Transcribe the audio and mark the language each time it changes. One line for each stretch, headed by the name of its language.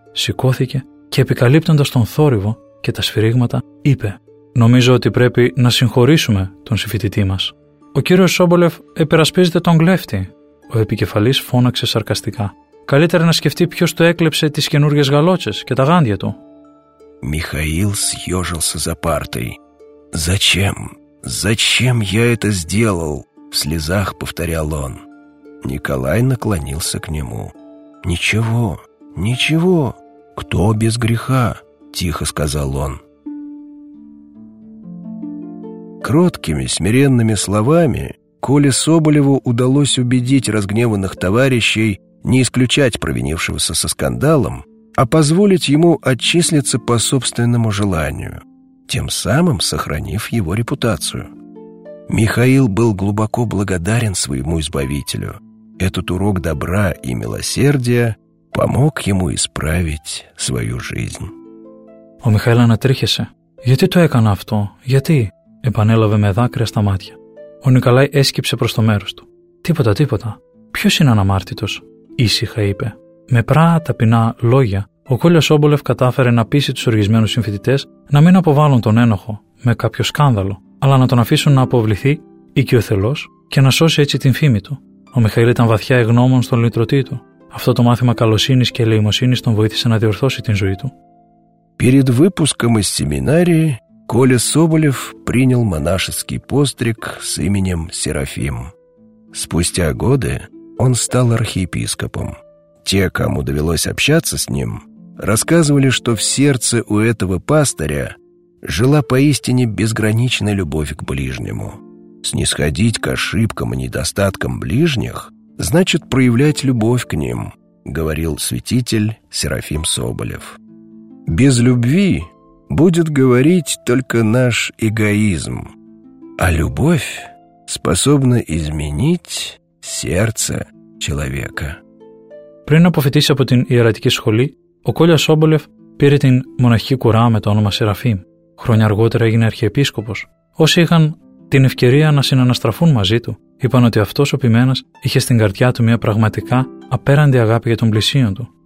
Greek: Σηκώθηκε και επικαλύπτοντας τον θόρυβο και τα σφυρίγματα, είπε: «Νομίζω ότι πρέπει να συγχωρήσουμε τον συμφοιτητή μας. Ο κύριος Σόμπολεφ επερασπίζεται τον κλέφτη», ο επικεφαλής φώναξε σαρκαστικά. «Καλύτερα να σκεφτεί ποιος το έκλεψε τις καινούργιες γαλότσες και τα γάντια του».
Russian: Михаил съёжился за партой. «Зачем? Зачем я это сделал?» в слезах повторял он. Николай наклонился к нему. «Ничего, ничего. Кто без греха?» тихо сказал он. Кроткими, смиренными словами Коле Соболеву удалось убедить разгневанных товарищей не исключать провинившегося со скандалом, а позволить ему отчислиться по собственному желанию, тем самым сохранив его репутацию. Михаил был глубоко благодарен своему избавителю. Этот урок добра и милосердия помог ему исправить свою жизнь. «О, Михаил, натрихеся.
Greek: Γιατί το έκανα αυτό, γιατί?» επανέλαβε με δάκρυα στα μάτια. Ο Νικολάη έσκυψε προς το μέρος του. «Τίποτα, τίποτα. Ποιος είναι αναμάρτητος?» ήσυχα είπε. Με πράα ταπεινά λόγια, ο Κόλλιας Σόμπολεφ κατάφερε να πείσει τους οργισμένους συμφοιτητές να μην αποβάλουν τον ένοχο με κάποιο σκάνδαλο, αλλά να τον αφήσουν να αποβληθεί οικειοθελώς και να σώσει έτσι την φήμη του. Ο Μιχαήλ ήταν βαθιά εγνώμων στον λυτρωτή του. Αυτό το μάθημα καλοσύνης και ελεημοσύνης τον βοήθησε να διορθώσει την ζωή του.
Russian: Перед выпуском из семинария Коля Соболев принял монашеский постриг с именем Серафим. Спустя годы он стал архиепископом. Те, кому довелось общаться с ним, рассказывали, что в сердце у этого пастыря жила поистине безграничная любовь к ближнему. «Снисходить к ошибкам и недостаткам ближних значит проявлять любовь к ним», говорил святитель Серафим Соболев. «Без любви будет говорить только наш эгоизм, а любовь способна изменить сердце человека».
Greek: Πριν αποφοιτήσει από την ιερατική σχολή, ο Κόλλιας Σόμπολεφ πήρε την μοναχική κουρά με το όνομα Σεραφείμ. Χρόνια αργότερα έγινε αρχιεπίσκοπος. Όσοι είχαν την ευκαιρία να συναναστραφούν μαζί του, είπαν ότι αυτός ο ποιμένας είχε στην καρδιά του μια πραγματικά απέραντη αγάπη για τον πλησίον του.